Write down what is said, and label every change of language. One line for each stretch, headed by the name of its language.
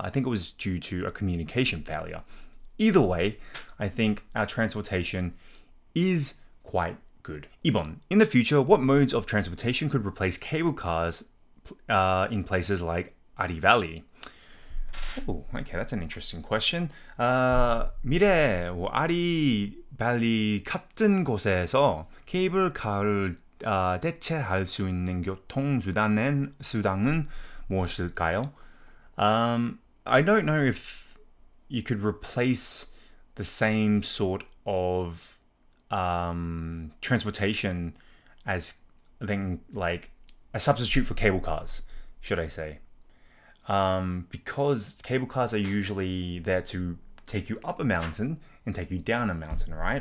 English: I think it was due to a communication failure. Either way, I think our transportation is quite good. Ibon, in the future, what modes of transportation could replace cable cars in places like Ari Valley? Oh, okay, that's an interesting question.
Korean: 미래, 뭐, 아리, 발리 같은 곳에서 케이블카를 대체할 수 있는 교통수단은 무엇일까요?
English: I don't know if you could replace the same sort of transportation as then like a substitute for cable cars, should I say. Because cable cars are usually there to take you up a mountain and take you down a mountain, right?